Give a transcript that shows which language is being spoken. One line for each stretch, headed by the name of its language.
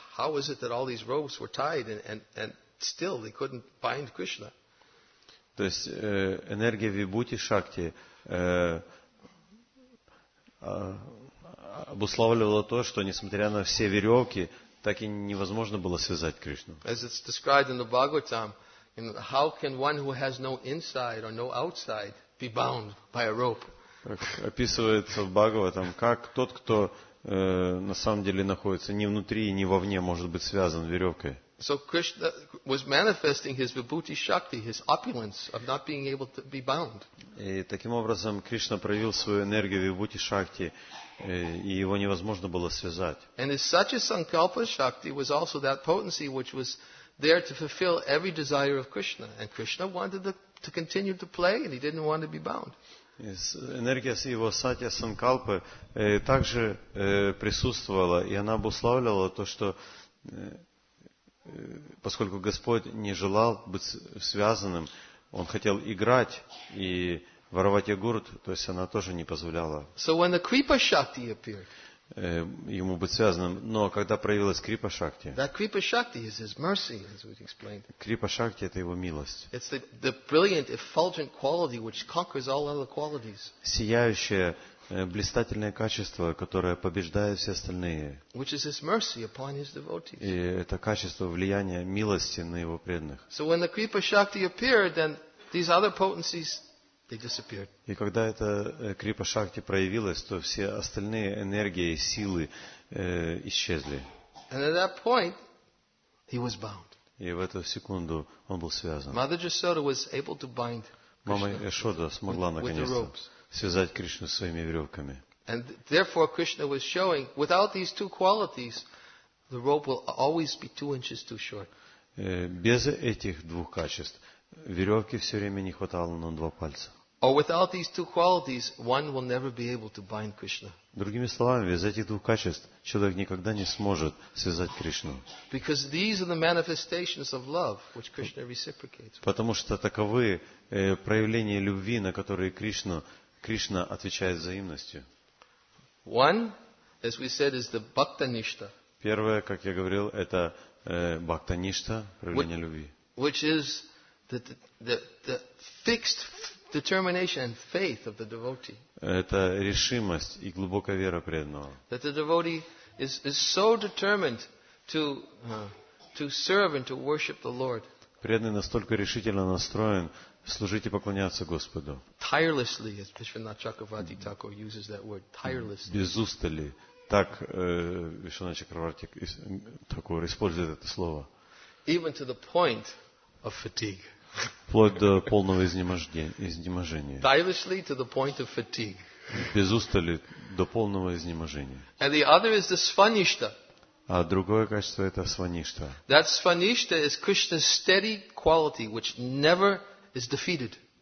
English: How is it that all these ropes were tied and still they couldn't bind Krishna?
Russian: То есть энергия Вибхути Шакти обуславливала то, что несмотря на все веревки, так и невозможно было связать Кришну.
English: As it's described in the Bhagavatam, how can one who has no inside or no outside be bound by a rope?
Russian: Описывается в Бхагаватам, как тот, кто на самом деле находится ни внутри, ни вовне, может быть связан веревкой.
English: So Krishna was manifesting his vibhuti shakti, his opulence of not being able to be bound.
Russian: И таким образом Кришна проявил свою энергию вибхути шакти, и его невозможно было связать.
English: And his satya sankalpa shakti was also that potency which was there to fulfill every desire of Krishna, and Krishna wanted the to continue to play, and he didn't want to be bound.
Russian: Энергия с его сатья санкалпы также присутствовала, и она обуславливала то, что поскольку Господь не желал быть связанным, он хотел играть и воровать йогурт, то есть она тоже не позволяла.
English: So when the Kripa Shakti appeared,
Russian: ему быть связанным, но когда проявилась Крипа Шакти,
English: that Kripa Shakti is his mercy, as we explained.
Russian: Крипа Шакти — это его милость.
English: It's the brilliant effulgent quality which conquers all other qualities.
Russian: Сияющее блистательное качество, которое побеждает все остальные.
English: Which is his mercy upon his devotees.
Russian: И это качество влияния милости на его преданных.
English: So when the Kripa Shakti appeared, then these other potencies, they disappeared.
Russian: И когда эта Крипа Шакти проявилась, то все остальные энергии и силы исчезли.
English: And at that point, he was bound.
Russian: И в эту секунду он был связан.
English: Mother Yashoda was able to bind Krishna.
Russian: Мама Яшода смогла наконец-то связать Кришну своими веревками.
English: And therefore Krishna was showing, without these two qualities, the rope will always be 2 inches too short.
Russian: Без этих двух качеств веревки все время не хватало на 2 пальца.
English: Or without these two qualities, one will never be able to bind Krishna.
Russian: Другими словами, без этих двух качеств человек никогда не сможет связать Кришну.
English: Because these are the manifestations of love which Krishna reciprocates.
Russian: Потому что таковы проявления любви, на которые Кришна отвечает взаимностью.
English: One, as we said, is the bhakta nishta.
Russian: Первое, как я говорил, это bhakta nishta, проявление любви.
English: Which is the fixed determination and faith of the devotee.
Russian: Это решимость и глубокая вера преданного.
English: That the devotee is so determined to serve and to worship the Lord.
Russian: Преданный настолько решительно настроен служить и поклоняться Господу.
English: Tirelessly, as Vishwanath Chakravarti Thakur uses that word, tirelessly.
Russian: Без устали. Так Вишванат Чакраварти Такур использует это слово.
English: Even to the point of fatigue.
Russian: Вплоть до полного изнеможения.
English: Tirelessly to the point of fatigue.
Russian: Без устали до полного изнеможения.
English: And the other is the svanishta.
Russian: А другое качество — это сваништа.
English: That svanishta is Krishna's steady quality, which never is defeated.